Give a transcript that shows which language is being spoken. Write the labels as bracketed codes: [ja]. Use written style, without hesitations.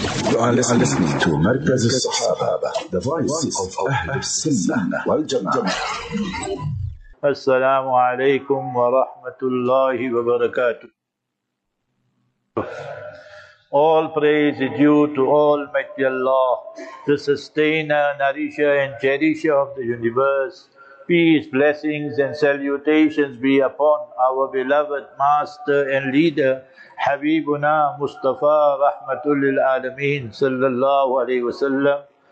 [en] You are listening to مركز الصحابة, the voice of أهل السنة والجماعة. [ar] السلام عليكم ورحمة الله وبركاته. [en] All praise is due to Almighty Allah, the sustainer, nourisher and cherisher of the universe. Peace, blessings and salutations be upon our beloved master and leader, Habibuna Mustafa Rahmatulil Alameen Sallallahu Alaihi Wasallam.